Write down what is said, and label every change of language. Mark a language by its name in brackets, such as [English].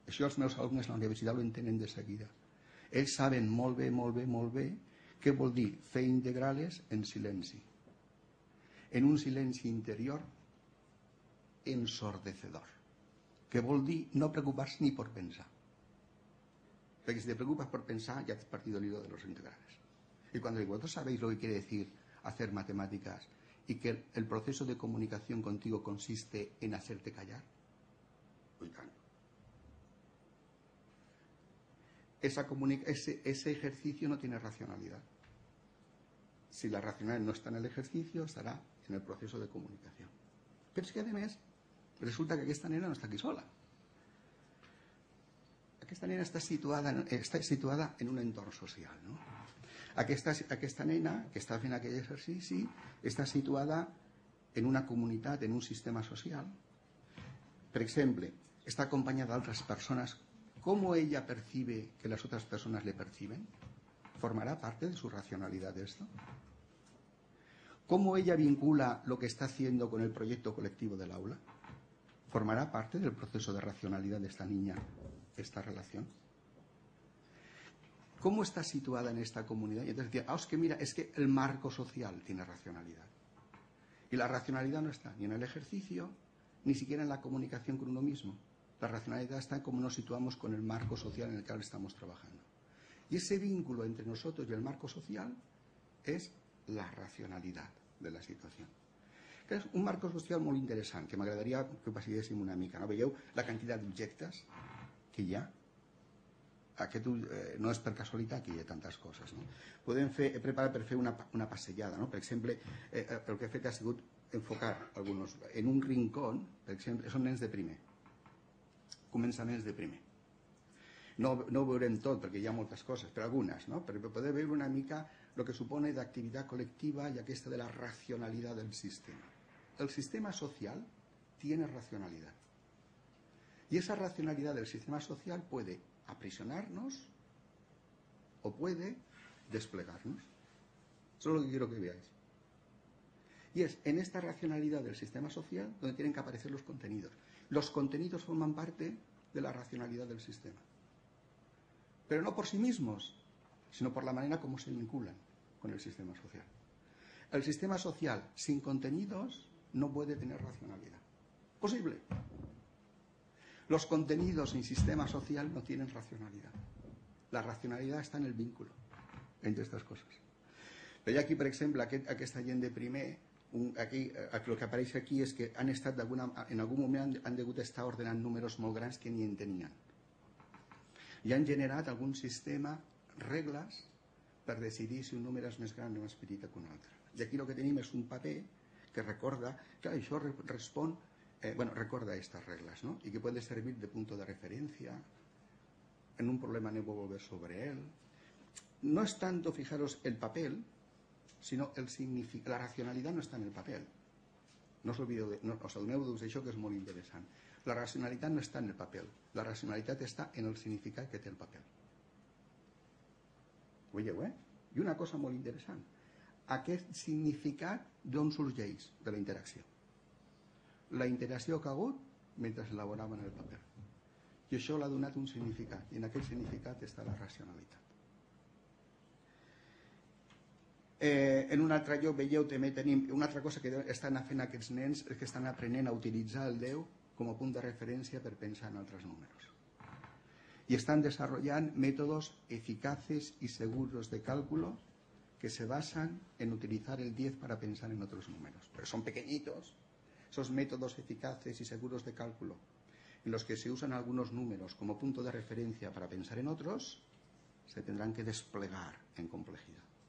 [Catalan] Això els meus alumnes a la universitat ho entenen de seguida. Ells saben molt bé, molt bé, molt bé què vol dir fer integrales en silenci. En un silenci interior ensordecedor, que vol dir no preocupar-se ni per pensar. Perquè si te preocupes per pensar, ja has partit [Spanish] el hilo de los integrales. [Catalan] I quan dic, vosaltres sabeu el que [Spanish] quiere decir hacer matemáticas i que el proceso de comunicació contigo consiste en hacerte callar? [Catalan] Ui, tant. [Spanish] Ese ejercicio no tiene racionalidad. Si la racionalidad no está en el ejercicio, estará en el proceso de comunicación. Pero es que además, resulta que [Catalan] aquesta nena no està aquí sola. Aquesta nena està situada en un entorn social. No? Aquesta nena que està fent aquell exercici està situada en una comunitat, en un sistema social. Per exemple, està acompanyada d'altres persones. Com ella percibe que les altres persones [Spanish] le perciben? [Catalan] Formarà part de su racionalitat d'això? Com ella vincula el que està fent amb el projecte col·lectiu de l'aula? [Spanish] ¿Formará parte del proceso de racionalidad de esta niña esta relación? ¿Cómo está situada en esta comunidad? Y entonces decía, ah, es que mira, es que el marco social tiene racionalidad. Y la racionalidad no está ni en el ejercicio, ni siquiera en la comunicación con uno mismo. La racionalidad está en cómo nos situamos con el marco social en el que ahora estamos trabajando. Y ese vínculo entre nosotros y el marco social es la racionalidad de la situación. [Catalan] Que és un marc social molt interessant, que m'agradaria que ho passéssim una mica. No? Veieu la quantitat d'objectes que hi ha? Aquest, no és per casualitat que hi ha tantes coses. No? Podem fer, he preparat per fer una passejada. No? Per exemple, el que he fet ha sigut enfocar alguns en un rincón, per exemple, són nens de primer. Començaments de primer. No ho veurem tot, perquè hi ha moltes coses, però algunes. No? Però podem veure una mica el que supone d'activitat col·lectiva i aquesta de la racionalitat del sistema. [Spanish] El sistema social tiene racionalidad. Y esa racionalidad del sistema social puede aprisionarnos o puede desplegarnos. Eso es lo que quiero que veáis. Y es en esta racionalidad del sistema social donde tienen que aparecer los contenidos. Los contenidos forman parte de la racionalidad del sistema. Pero no por sí mismos, sino por la manera como se vinculan con el sistema social. El sistema social sin contenidos no puede tener racionalidad. ¿Posible? Los contenidos en sistema social no tienen racionalidad. La racionalidad está en el vínculo entre estas cosas. Veía aquí, por ejemplo, [Catalan] aquesta gent de primer, [Spanish] lo que aparece aquí es que han estado en algún momento [Catalan] han degut estar ordenant números molt grans [Spanish] que ni en tenían. [Catalan] Y han generat algun sistema, regles, per decidir si un número és més gran o més petit que un altre. I aquí el que tenim és un paper que recorda, clar, això respon, bueno, recorda aquestes regles, no? I que pot servir de punt de referència, en un problema anem a [Spanish] volver sobre ell. [Catalan] No és tant, fijaros, el paper, sinó la racionalitat no està en el paper. No us oblideu, adoneu-vos d'això que és molt interessant. La racionalitat no està en el paper, la racionalitat està en el significat que té el paper. Ho veieu, eh? I una cosa molt interessant. Aquest significat d'on sorgeix de la interacció. La interacció que ha hagut mentre elaboraven el paper. I això l'ha donat un significat. I en aquest significat està la racionalitat. En un altre lloc veieu també tenim una altra cosa que estan fent aquests nens és que estan aprenent a utilitzar el 10 com a punt de referència per pensar en altres números. [Spanish] y están desarrollando métodos eficaces y seguros de cálculo que se basan en utilizar el 10 para pensar en otros números. Pero son pequeñitos esos métodos eficaces y seguros de cálculo en los que se usan algunos números como punto de referencia para pensar en otros, se tendrán que desplegar en complejidad.